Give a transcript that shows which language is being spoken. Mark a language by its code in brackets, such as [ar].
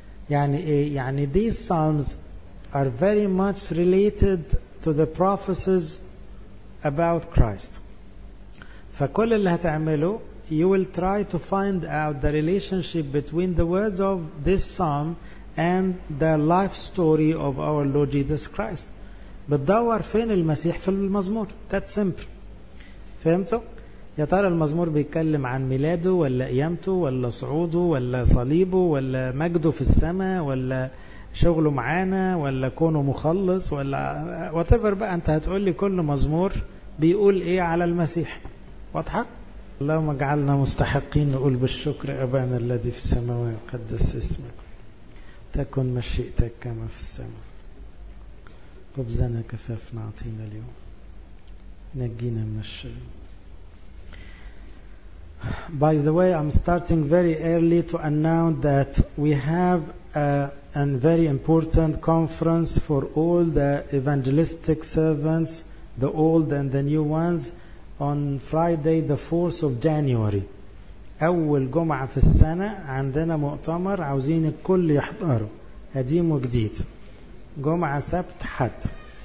[ar] يعني إيه؟ يعني [en] these psalms are very much related to the prophecies about Christ. [ar] فكل اللي هتعمله [en] you will try to find out the relationship between the words of this psalm and the life story of our Lord Jesus Christ. [ar] بتدور فين المسيح في المزمور. [en] That simple. [ar] فهمتوا؟ يا ترى المزمور بيتكلم عن ميلاده ولا قيامته ولا صعوده ولا صليبه ولا مجده في السماء ولا شغله معانا ولا كونه مخلص ولا whatever. بقى انت هتقول لي كل مزمور بيقول ايه على المسيح. واضحة؟ اللهم اجعلنا مستحقين نقول بالشكر أبانا الذي في السماوات قدس اسمك، تكن مشيئتك كما في السماء، خبزنا كفافنا أعطينا اليوم، نجينا من الشر. [en] By the way, I'm starting very early to announce that we have a very important conference for all the evangelistic servants, the old and the new ones, on Friday the 4th of January. [ar] أول جمعة في السنة عندنا مؤتمر عاوزين الكل يحضره، قديم وجديد، جمعة سبت حد.